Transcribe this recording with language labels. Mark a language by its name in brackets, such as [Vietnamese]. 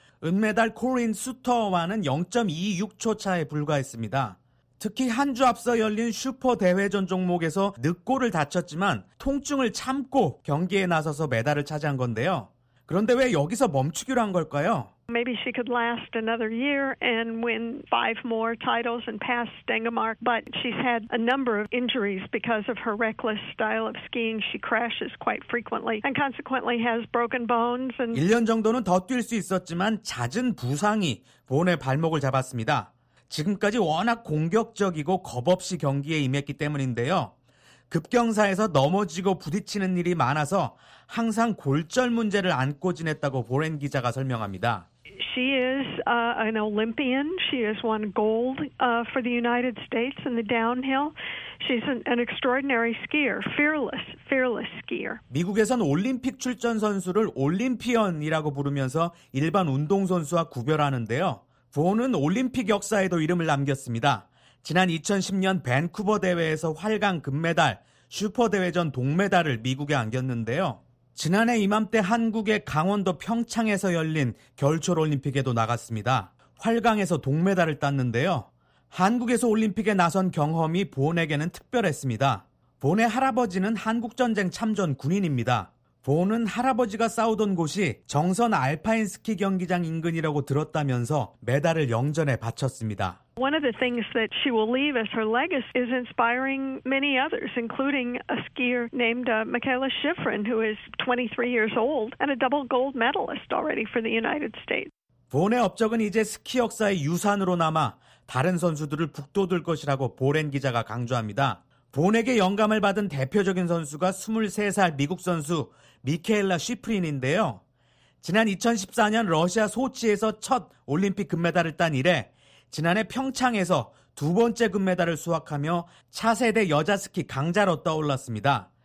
[Korean] 은메달 코린 수터와는 0.26초 차에 불과했습니다. 특히 한 주 앞서 열린 슈퍼대회전 종목에서 늑골을 다쳤지만 통증을 참고 경기에 나서서 메달을 차지한 건데요. 그런데 왜 여기서 멈추기로 한 걸까요? [English] Maybe she could last another year and win five more titles and pass Stengemark, but she's had a number of injuries because of her reckless style of skiing. She crashes quite frequently and consequently has broken bones. And [Korean] 1년 정도는 더 뛸 수 있었지만 잦은 부상이 본의 발목을 잡았습니다. 지금까지 워낙 공격적이고 겁없이 경기에 임했기 때문인데요. 급경사에서 넘어지고 부딪히는 일이 많아서 항상 골절 문제를 안고 지냈다고 보렌 기자가 설명합니다. [English] She is an Olympian. She has won gold for the United States in the downhill. She's an extraordinary skier, fearless skier. [Korean] 미국에선 올림픽 출전 선수를 올림피언이라고 부르면서 일반 운동 선수와 구별하는데요. 본은 올림픽 역사에도 이름을 남겼습니다. 지난 2010년 밴쿠버 대회에서 활강 금메달, 슈퍼대회전 동메달을 미국에 안겼는데요. 지난해 이맘때 한국의 강원도 평창에서 열린 겨울철올림픽에도 나갔습니다. 활강에서 동메달을 땄는데요. 한국에서 올림픽에 나선 경험이 본에게는 특별했습니다. 본의 할아버지는 한국전쟁 참전 군인입니다. 본은 할아버지가 싸우던 곳이 정선 알파인 스키 경기장 인근이라고 들었다면서 메달을 영전에 바쳤습니다. [English] One of the things that she will leave as her legacy is inspiring many others, including a skier named Michaela Schifrin, who is 23 years old and a double gold medalist already for the United States. [Korean] 본의 업적은 이제 스키 역사의 유산으로 남아 다른 선수들을 북돋을 것이라고 보렌 기자가 강조합니다. 본에게 영감을 받은 대표적인 선수가 23살 미국 선수 미케일라 쉬프린인데요. 지난 2014년 러시아 소치에서 첫 올림픽 금메달을 딴 이래 지난해 평창에서 두 번째 금메달을 수확하며 차세대 여자 스키 강자로 떠올랐습니다.